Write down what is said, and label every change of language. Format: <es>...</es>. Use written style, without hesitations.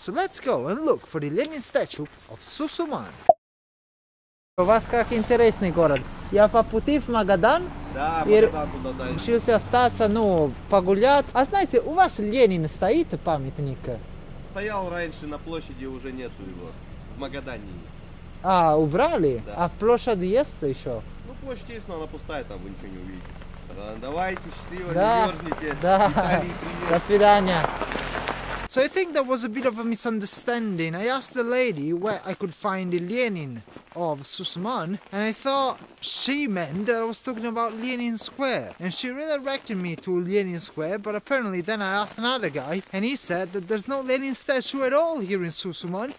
<en>So let's go and look for the Lenin statue of Susuman.</en> <ru>У вас как интересный город. Я по пути в Магадан. Да, Магадан туда. Решился остаться, ну, погулять. А знаете, у вас Ленин стоит памятник? Стоял раньше на площади, уже нету его. В Магадане есть. А, убрали? Да. А площадь есть еще? Ну, площадь есть, но она пустая, там вы ничего не увидите. Давайте, счастливо, да. Не мерзните. Да. До свидания.</ru> <en>So I think there was a bit of a misunderstanding. I asked the lady where I could find the Lenin of Susuman and I thought she meant that I was talking about Lenin Square. And she redirected me to Lenin Square, but apparently then I asked another guy and he said that there's no Lenin statue at all here in Susuman.</en>